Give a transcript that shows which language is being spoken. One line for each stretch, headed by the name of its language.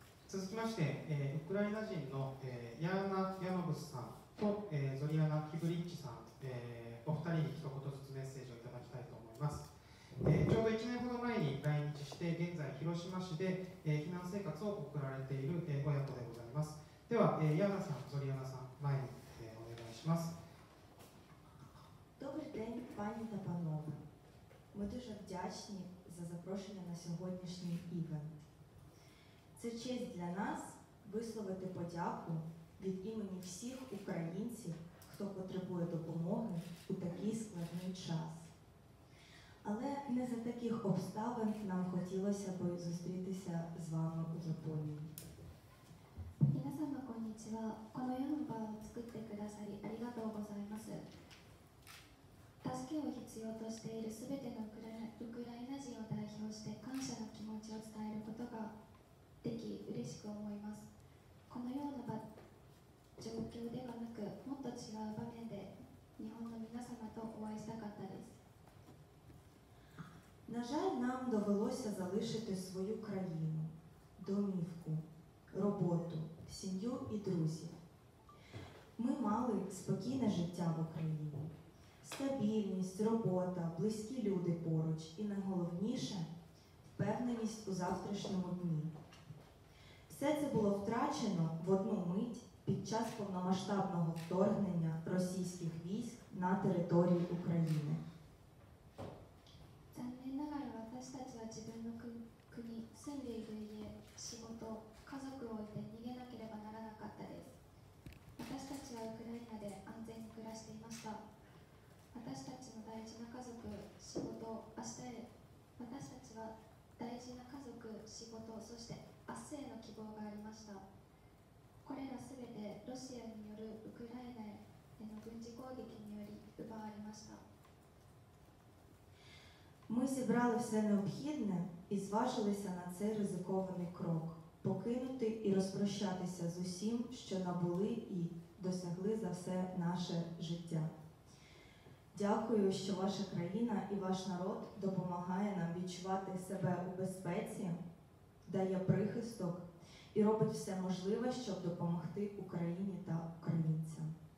Japanese: 続きまして、ウクライナ人の、ヤーナ・ヤマブスさんと、ゾリアナ・キブリッチさん、お二人に一言ずつメッセージをいただきたいと思います。ちょうど1年ほど前に来日して、現在広島市で、避難生活を送られている、親子でございます。では、ヤーナさん、ゾリアナさん、前に、お願いします。
Ukrainian: どうして、パニタパノバ、ми дуже вдячні за запрошення на сьогоднішній івент. Це честь для нас висловити подяку від імені всіх українців, хто потребує допомоги у такий складний час. Але не за таких обставин нам хотілося би зустрітися з вами у Японії.
Japanese: 皆様こんにちは。このヤンバを作ってくださりありがとうございます。助けを必要としているすべてのウクライナ人を代表して感謝の気持ちを伝えることができ、嬉しく思います。このような場、状況ではなく、もっと違う場面で日本の皆様とお会いしたかったです。
Ukrainian: На жаль, нам довелося залишити свою країну, домівку, роботу, сім'ю і друзів. Ми мали спокійне життя в Україні. Стабільність, робота, близькі люди поруч і найголовніше – впевненість у завтрашньому дні. Все це було втрачено в одну мить під час повномасштабного вторгнення російських військ на територію України.
Japanese: 残念ながら私たちは自分の国、住んでいる家、仕事、家族を置いて逃げなければならなかったです。私たちはウクライナで安全に暮らしていました。私たちの大事な家族、仕事、明日へ、私たちは大事な家族、仕事、そして明日への希望がありました。これらすべてロシアによるウクライナへの軍事攻撃により奪われました。
Ukrainian: Ми зібрали все необхідне і зважилися на цей ризикований крок – покинути і розпрощатися з усім, що набули і досягли за все наше життя. Дякую, що ваша країна і ваш народ допомагає нам відчувати себе у безпеці, дає прихисток і робить все можливе, щоб допомогти Україні та українцям.